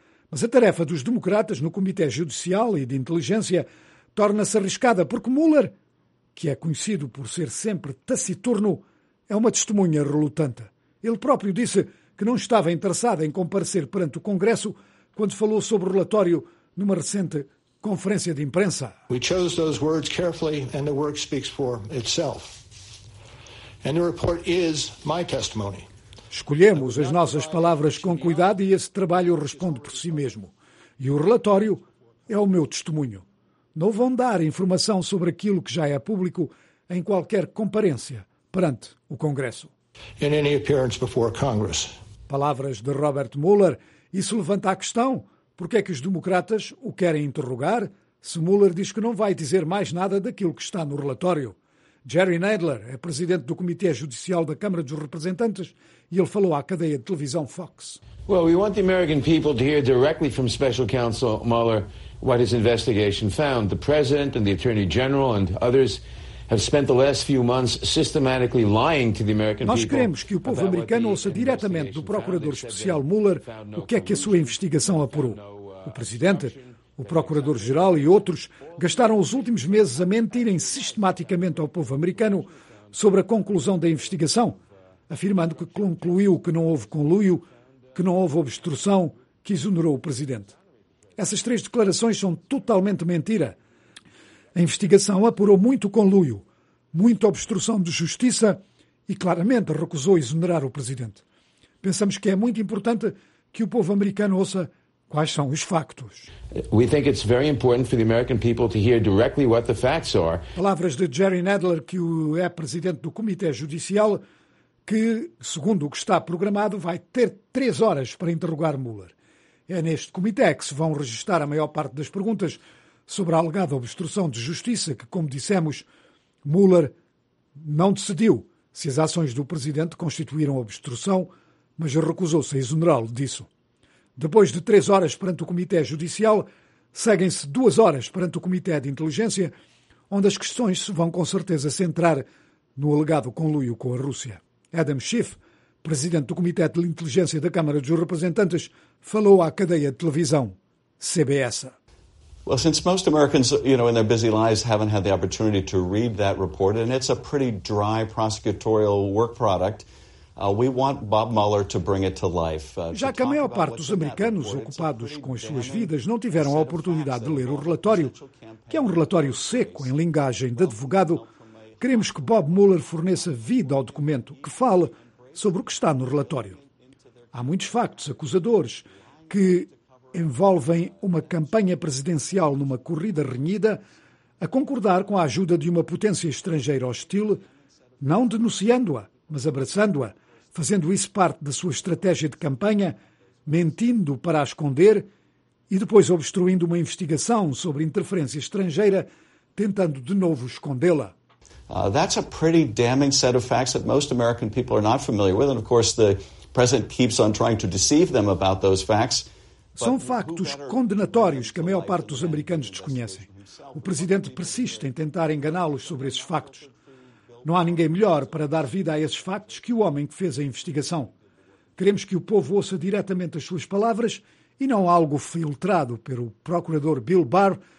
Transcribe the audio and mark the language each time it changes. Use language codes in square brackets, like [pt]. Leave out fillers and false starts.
[pt] Mas a tarefa dos democratas no Comitê Judicial e de Inteligência torna-se arriscada porque Mueller, que é conhecido por ser sempre taciturno, é uma testemunha relutante. Ele próprio disse que não estava interessado em comparecer perante o Congresso quando falou sobre o relatório numa recente conferência de imprensa. [en] We chose those words carefully and the work speaks for itself. And the report is my testimony. [pt] Escolhemos as nossas palavras com cuidado e esse trabalho responde por si mesmo. E o relatório é o meu testemunho. Não vão dar informação sobre aquilo que já é público em qualquer comparência perante o Congresso. [en] In any appearance before Congress. [pt] Palavras de Robert Mueller. Isso levanta a questão, porque é que os democratas o querem interrogar se Mueller diz que não vai dizer mais nada daquilo que está no relatório? Jerry Nadler é presidente do Comitê Judicial da Câmara dos Representantes e ele falou à cadeia de televisão Fox. [en] Well, we want the American people to hear directly from Special Counsel Mueller what his investigation found. The President and the Attorney General and others have spent the last few months systematically lying to the American people. [pt] Nós queremos que o povo americano ouça diretamente do Procurador Especial Mueller o que é que a sua investigação apurou. O Presidente, o Procurador-Geral e outros gastaram os últimos meses a mentirem sistematicamente ao povo americano sobre a conclusão da investigação, afirmando que concluiu que não houve conluio, que não houve obstrução, que exonerou o Presidente. Essas 3 declarações são totalmente mentira. A investigação apurou muito conluio, muita obstrução de justiça e claramente recusou exonerar o Presidente. Pensamos que é muito importante que o povo americano ouça quais são os factos. [en] We think it's very important for the American people to hear directly what the facts are. [pt] Palavras de Jerry Nadler, que é presidente do Comitê Judicial, que, segundo o que está programado, vai ter 3 horas para interrogar Mueller. É neste comitê que se vão registar a maior parte das perguntas sobre a alegada obstrução de justiça que, como dissemos, Mueller não decidiu se as ações do presidente constituíram obstrução, mas recusou-se a exonerá-lo disso. Depois de 3 horas perante o Comitê Judicial, seguem-se 2 horas perante o Comitê de Inteligência, onde as questões se vão com certeza centrar no alegado conluio com a Rússia. Adam Schiff, presidente do Comitê de Inteligência da Câmara dos Representantes, falou à cadeia de televisão CBS. [en] Well, since most Americans, you know, in their busy lives haven't had the opportunity to read that report, and it's a pretty dry prosecutorial work product, we want Bob Mueller to bring it to life. [pt] Já que a maior parte dos americanos ocupados com as suas vidas não tiveram a oportunidade de ler o relatório, que é um relatório seco em linguagem de advogado, queremos que Bob Mueller forneça vida ao documento, que fale sobre o que está no relatório. Há muitos factos acusadores que envolvem uma campanha presidencial numa corrida renhida a concordar com a ajuda de uma potência estrangeira hostil, não denunciando-a, mas abraçando-a, fazendo isso parte da sua estratégia de campanha, mentindo para a esconder e depois obstruindo uma investigação sobre interferência estrangeira, tentando de novo escondê-la. [en] That's a pretty damning set of facts that most American people are not familiar with, and of course the president keeps on trying to deceive them about those facts. [pt] São factos condenatórios que a maior parte dos americanos desconhecem. O presidente persiste em tentar enganá-los sobre esses factos. Não há ninguém melhor para dar vida a esses factos que o homem que fez a investigação. Queremos que o povo ouça diretamente as suas palavras e não algo filtrado pelo procurador Bill Barr,